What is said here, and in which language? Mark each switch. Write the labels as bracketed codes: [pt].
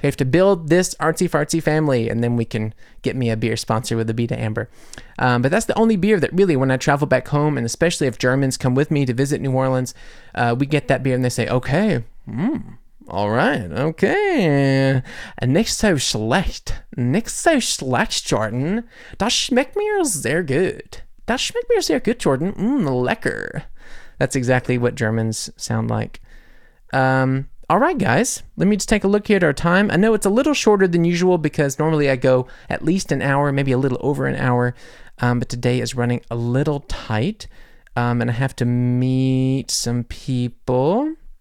[en] We have to build this artsy fartsy family, and then we can get me a beer sponsor with Abita Amber. But that's the only beer that really, when I travel back home, and especially if Germans come with me to visit New Orleans, we get that beer and they say, okay, all right, okay. [de] Nicht so schlecht. Nicht so schlecht, Jordan. Das schmeckt mir sehr gut. Das schmeckt mir sehr gut, Jordan. Lecker. [en] That's exactly what Germans sound like. All right, guys, let me just take a look here at our time. I know it's a little shorter than usual because normally I go at least an hour, maybe a little over an hour, but today is running a little tight, and I have to meet some people.